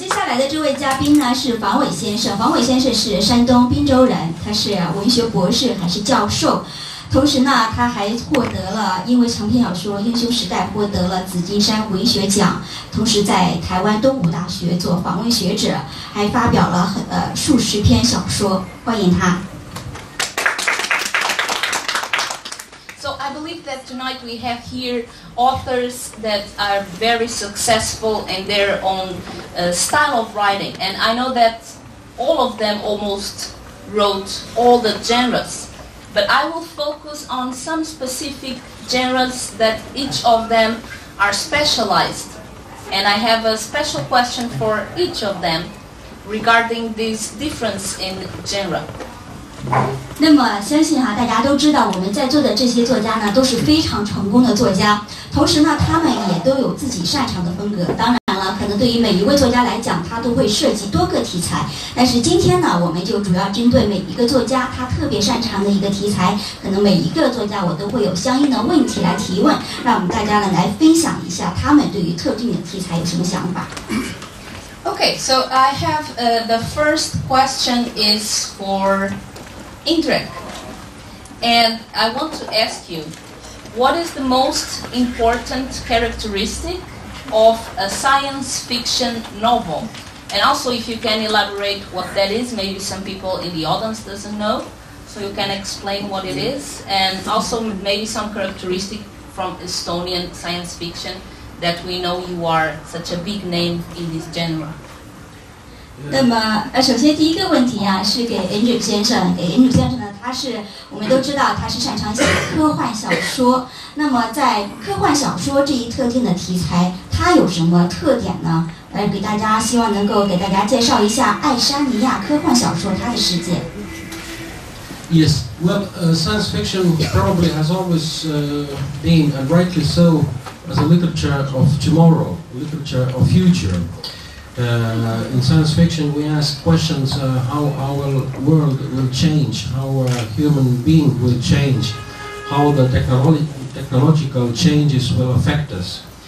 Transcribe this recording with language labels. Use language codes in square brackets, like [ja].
[zh] 来的这位嘉宾呢是房伟先生，房伟先生是山东滨州人，他是文学博士，还是教授。同时呢，他还获得了因为长篇小说《英雄时代》获得了紫金山文学奖，同时在台湾东吴大学做访问学者，还发表了数十篇小说。欢迎他。 [en] That tonight we have here authors that are very successful in their own style of writing, and I know that all of them almost wrote all the genres, but I will focus on some specific genres that each of them are specialized, and I have a special question for each of them regarding this difference in genre. [zh] 那么相信大家都知道我们在座的这些作家呢都是非常成功的作家，同时呢他们也都有自己擅长的风格，当然了可能对于每一位作家来讲他都会涉及多个题材，但是今天呢我们就主要针对每一个作家他特别擅长的一个题材，可能每一个作家我都会有相应的问题来提问，让我们大家呢来分享一下他们对于特定的题材有什么想法。 [en] Okay, so I have the first question is forIndrek, and I want to ask you, what is the most important characteristic of a science fiction novel? And also if you can elaborate what that is, maybe some people in the audience doesn't know, so you can explain what it is, and also maybe some characteristic from Estonian science fiction that we know you are such a big name in this genre. [zh] 那么首先第一个问题啊是给 Andrew 先生，给 Andrew 先生呢他是我们都知道他是擅长写科幻小说，那么在科幻小说这一特定的题材他有什么特点呢？给大家希望能够给大家介绍一下爱沙尼亚科幻小说他的世界。 [en] Yes, well, science fiction probably has always been, and rightly so, as a literature of tomorrow, literature of futureIn science fiction, we ask questions how our world will change, how a human being will change, how the technological changes will affect us.